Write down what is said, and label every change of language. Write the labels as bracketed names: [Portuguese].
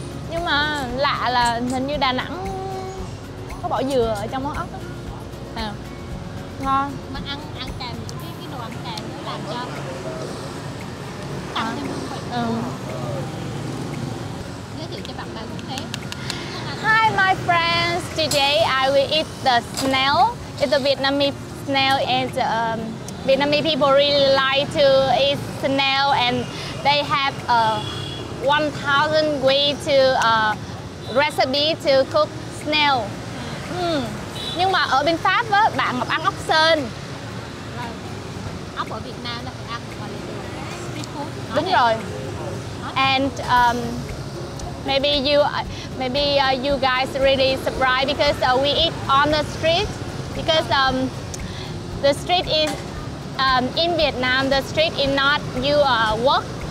[Vietnamese] Nhưng mà lạ là hình như Đà Nẵng có bỏ dừa ở trong món ốc á. Ngon. Mà ăn ăn kèm cái đồ ăn kèm nó làm cho tăng thêm hương vị. Giới thiệu cho bạn bè quốc tế. [English] Hi my friends, today I will eat the snail. It's a Vietnamese snail and Vietnamese people really like to eat snail and they have a 1,000 way to recipe to cook snail. [Vietnamese] Nhưng mà ở bên Pháp á, bạn Ngọc ăn ốc sên. Ốc ở Việt Nam là phải ăn gọi là street food. Đúng rồi. [English] And maybe you guys really surprised because we eat on the street because the street is in Vietnam, the street is not you work.